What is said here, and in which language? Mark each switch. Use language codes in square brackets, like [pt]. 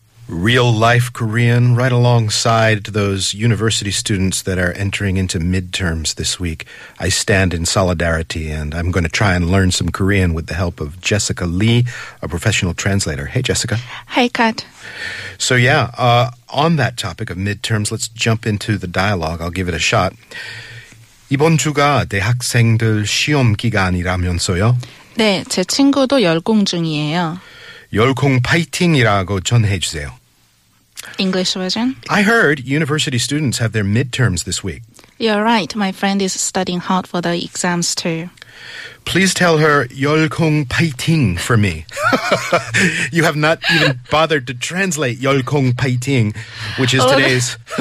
[en] Real-life Korean, right alongside those university students that are entering into midterms this week. I stand in solidarity, and I'm going to try and learn some Korean with the help of Jessica Lee, a professional translator. Hey, Jessica. Hi, Kat. So, yeah, on that topic of midterms, let's jump into the dialogue. I'll give it a shot. [ko] 이번 주가 대학생들 시험 기간이라면서요? 네, 제 친구도 열공 중이에요. 열공 파이팅이라고 전해주세요. [en] English version. I heard university students have their midterms this week. You're right. My friend is studying hard for the exams too. Please tell her [ko] 열공 파이팅 [en] for me. You have not even bothered to translate [ko] 열공 파이팅, [en] which is today's...